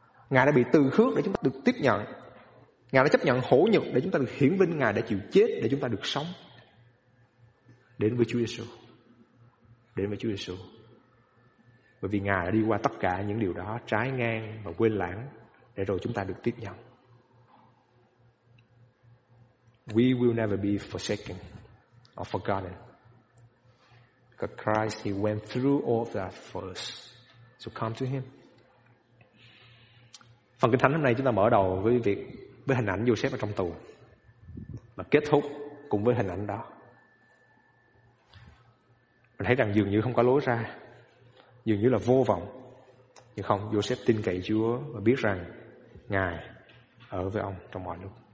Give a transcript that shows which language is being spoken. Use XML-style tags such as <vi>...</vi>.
<vi>Ngài đã bị từ khước để chúng ta được tiếp nhận. Ngài đã chấp nhận hổ nhục để chúng ta được hiển vinh. Ngài đã chịu chết để chúng ta được sống. Đến với Chúa Giêsu, đến với Chúa Giêsu, bởi vì Ngài đã đi qua tất cả những điều đó, trái ngang và quên lãng, để rồi chúng ta được tiếp nhận.</vi> <en>We will never be forsaken or forgotten, because Christ, He went through all that for us. So come to Him.</en> <vi>Phần Kinh Thánh hôm nay chúng ta mở đầu với việc với hình ảnh Joseph ở trong tù, và kết thúc cùng với hình ảnh đó. Mình thấy rằng dường như không có lối ra, dường như là vô vọng. Nhưng không, Joseph tin cậy Chúa và biết rằng Ngài ở với ông trong mọi lúc.</vi>